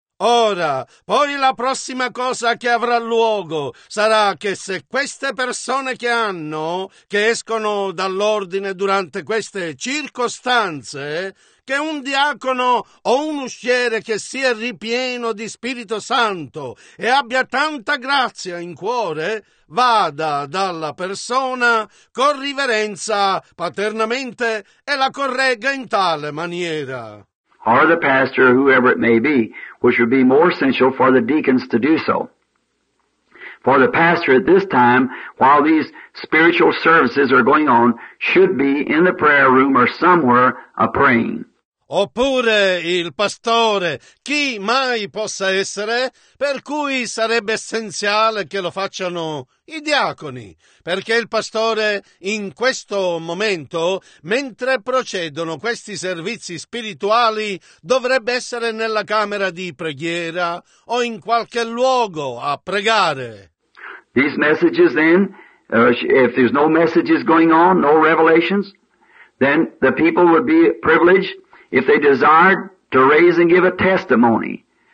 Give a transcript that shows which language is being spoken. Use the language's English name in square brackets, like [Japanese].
[Italian] Ora, poi la prossima cosa che avrà luogo sarà che se queste persone che escono dall'ordine durante queste circostanze, che un diacono o un usciere che sia ripieno di Spirito Santo e abbia tanta grazia in cuore, vada dalla persona con riverenza paternamente e la corregga in tale maniera. [English] Or the pastor, whoever it may be, which would be more essential for the deacons to do so. For the pastor at this time, while these spiritual services are going on, should be in the prayer room or somewhere a praying. [Italian] Oppure il pastore, chi mai possa essere, per cui sarebbe essenziale che lo facciano i diaconi, perché il pastore in questo momento, mentre procedono questi servizi spirituali, dovrebbe essere nella camera di preghiera o in qualche luogo a pregare. [English] These messages then, if there's no messages going on, no revelations, then the people would be privileged if they desired to raise and give a testimony